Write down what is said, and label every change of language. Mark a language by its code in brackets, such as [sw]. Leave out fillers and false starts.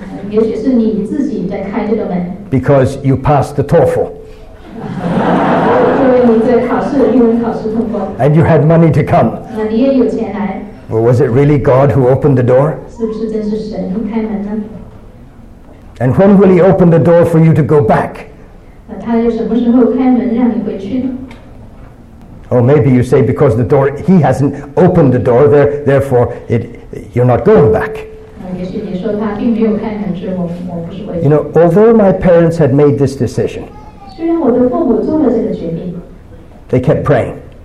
[zh] 也许是你自己在开这个门。 [en] Because you passed the TOEFL. [zh] 因为你在考试，英文考试通过。 [en] And you had money to come. [zh] 那你也有钱来。 [en] Or was it really God who opened the door? [zh] 是不是真是神开门呢？ [en] And when will He open the door for you to go back? [zh] 那他又什么时候开门让你回去呢？ [en] Oh, maybe you say because the door, he hasn't opened the door, therefore it, you're not going back. You know, although my parents had made this decision, they kept praying.